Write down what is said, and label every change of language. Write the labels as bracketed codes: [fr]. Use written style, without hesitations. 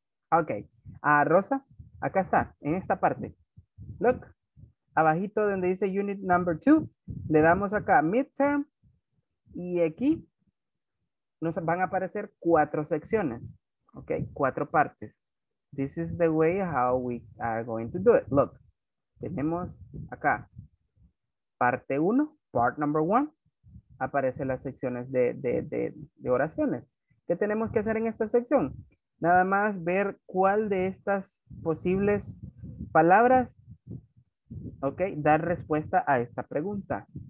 [es] Okay. Rosa, acá está, en esta parte. Look, abajito donde dice unit number 2, le damos acá midterm y aquí nos van a aparecer 4 secciones. Okay, 4 partes. [en] This is the way how we are going to do it. [es] Look, tenemos acá parte 1, [en] part number 1, [es] aparecen las secciones de oraciones. ¿Qué tenemos que hacer en esta sección? Nada más ver cuál de estas posibles palabras, ok, dar respuesta a esta pregunta.